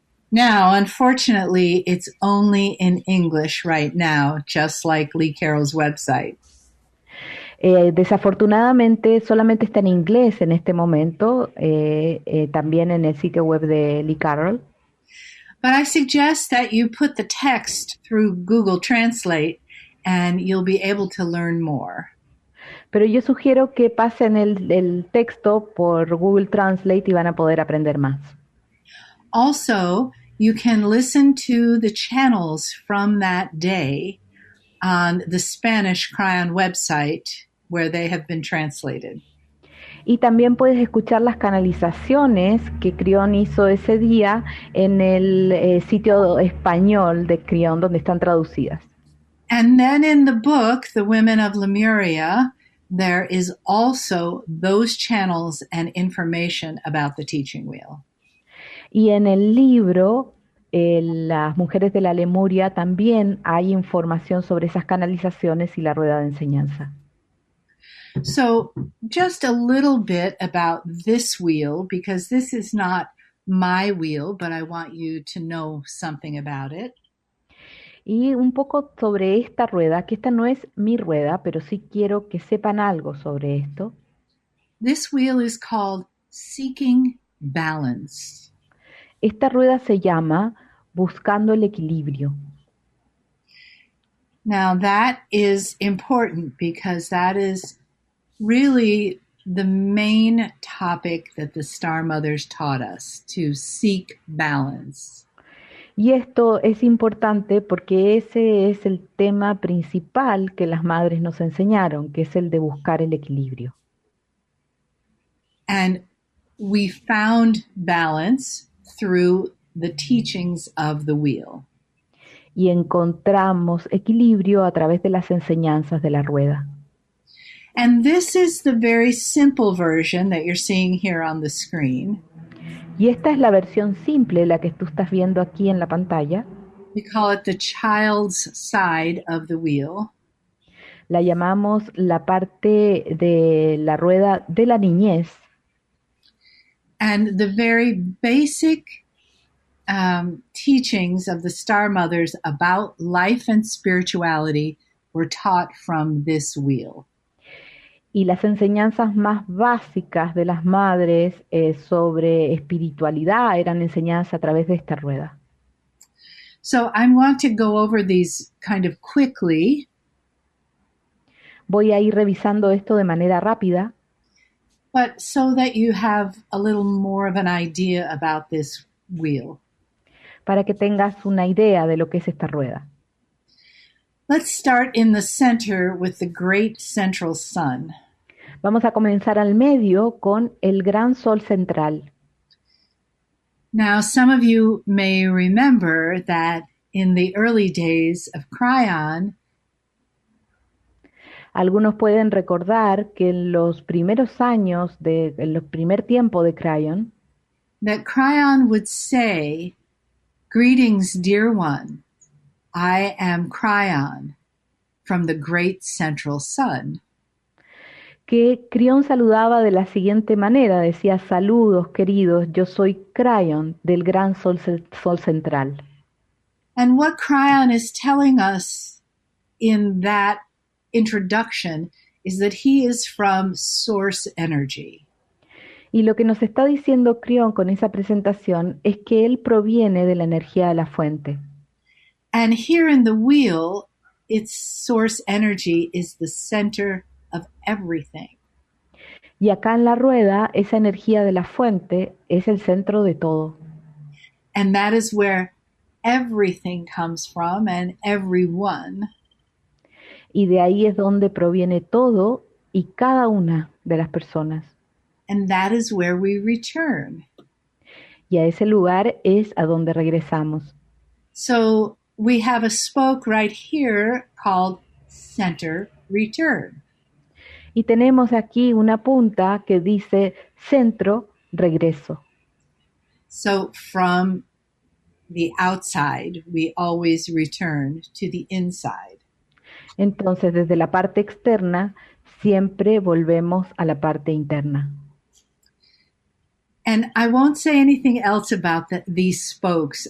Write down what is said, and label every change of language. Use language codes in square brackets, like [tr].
[en] Now, unfortunately, it's only in English right now, just like Lee Carroll's website. [es] Desafortunadamente, solamente está en inglés en este momento, también en el sitio web de Lee Carroll. [en] But I suggest that you put the text through Google Translate and you'll be able to learn more. [es] Pero yo sugiero que pasen el texto por Google Translate y van a poder aprender más. [en] Also, you can listen to the channels from that day on the Spanish Cryon website where they have been translated. [es] Y también puedes escuchar las canalizaciones que Cryon hizo ese día en el sitio español de Cryon donde están traducidas. [en] And then in the book, The Women of Lemuria, there is also those channels and information about the teaching wheel. [es] Y en el libro, Las Mujeres de la Lemuria, también hay información sobre esas canalizaciones y la rueda de enseñanza. [en] So, just a little bit about this wheel, because this is not my wheel, but I want you to know something about it. [es] Y un poco sobre esta rueda, que esta no es mi rueda, pero sí quiero que sepan algo sobre esto. [en] This wheel is called Seeking Balance. [es] Esta rueda se llama Buscando el Equilibrio. [en] Now that is important because that is really the main topic that the Star Mothers taught us, to seek balance. [es] Y esto es importante porque ese es el tema principal que las madres nos enseñaron, que es el de buscar el equilibrio. [en] And we found balance through the teachings of the wheel. [es] Y encontramos equilibrio a través de las enseñanzas de la rueda. [en] And this is the very simple version that you're seeing here on the screen. [es] Y esta es la versión simple, la que tú estás viendo aquí en la pantalla. [en] We call it the child's side of the wheel. [es] La llamamos la parte de la rueda de la niñez. [en] And the very basic teachings of the Star Mothers about life and spirituality were taught from this wheel. [es] Y las enseñanzas más básicas de las madres sobre espiritualidad eran enseñadas a través de esta rueda. [en] So I want to go over these kind of quickly. [es] Voy a ir revisando esto de manera rápida. [en] But so that you have a little more of an idea about this wheel. [es] Para que tengas una idea de lo que es esta rueda. [en] Let's start in the center with the great central sun. [es] Vamos a comenzar al medio con el gran sol central. [en] Now, some of you may remember that in the early days of Cryon, [es] algunos pueden recordar que en los primeros años, en el primer tiempo de Cryon, [en] that Cryon would say, "Greetings, dear one, I am Cryon from the great central sun." [es] Que Cryon saludaba de la siguiente manera, decía, "Saludos, queridos, yo soy Cryon del gran sol central." [en] And what Cryon is telling us in that introduction is that he is from source energy. [es] Y lo que nos está diciendo Cryon con esa presentación es que él proviene de la energía de la fuente. [en] And here in the wheel, its source energy is the center of everything. [es] Y acá en la rueda, esa energía de la fuente es el centro de todo. [en] And that is where everything comes from and everyone. [es] Y de ahí es donde proviene todo y cada una de las personas. [en] And that is where we return. [es] Y a ese lugar es a donde regresamos. [en] So we have a spoke right here called center return. [es] Y tenemos aquí una punta que dice centro regreso. [en] So from the outside, we always return to the inside. [es] Entonces, desde la parte externa, siempre volvemos a la parte interna. [en] And I won't say anything else about these spokes.